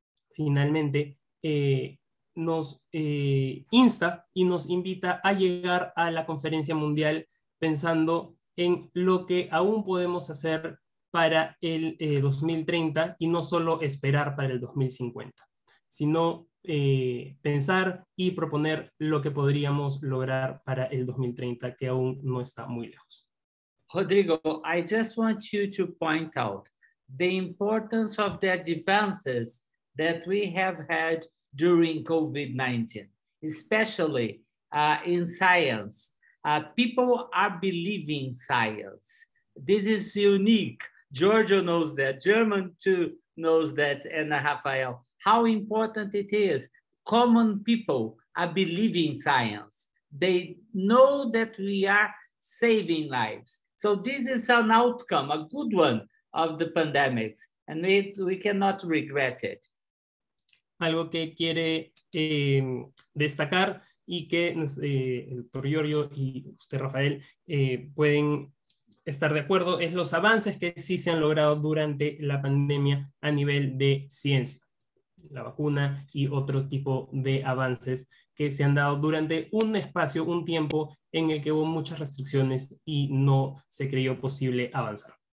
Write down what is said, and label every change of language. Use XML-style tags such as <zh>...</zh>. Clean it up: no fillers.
<es>Finalmente, nos insta y nos invita a llegar a la conferencia mundial pensando en lo que aún podemos hacer para el 2030 y no solo esperar para el 2050, sino pensar y proponer lo que podríamos lograr para el 2030, que aún no está muy lejos.</es> <en>Rodrigo, I just want you to point out the importance of the advances that we have had during COVID-19, especially in science. People are believing science. This is unique. Giorgio knows that, German too knows that, and Rafael. How important it is. Common people are believing science. They know that we are saving lives. So this is an outcome, a good one of the pandemics, and we cannot regret it.</en> <es>Algo que quiere destacar y que el doctor Giorgio y usted, Rafael, pueden estar de acuerdo es los avances que sí se han logrado durante la pandemia a nivel de ciencia, la vacuna y otro tipo de avances que se han dado durante un espacio, un tiempo en el que hubo muchas restricciones y no se creyó posible avanzar.</es>